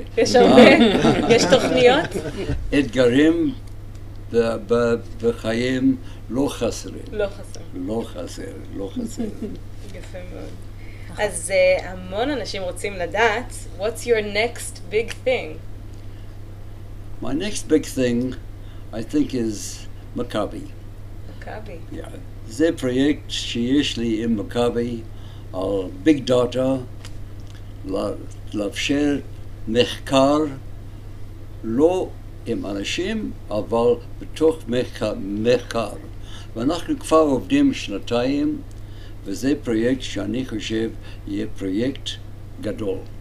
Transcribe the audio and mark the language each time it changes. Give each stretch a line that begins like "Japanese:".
Hebrew: יש הרבה? יש תוכניות? אתגרים בחיים לא חסרים. לא חסרים. יפה מאוד. אז המון אנשים רוצים לדעת,
English: what's your next big thing? My next big thing, I think, is Maccabi. Maccabi?
Hebrew: זה פרויקט שיש לי עם Maccabi על big data, לאפשר מחקר לא עם אנשים, אבל בתוך מחקר. ואנחנו כבר עובדים שנתיים, וזה פרויקט שאני חושב יהיה פרויקט גדול.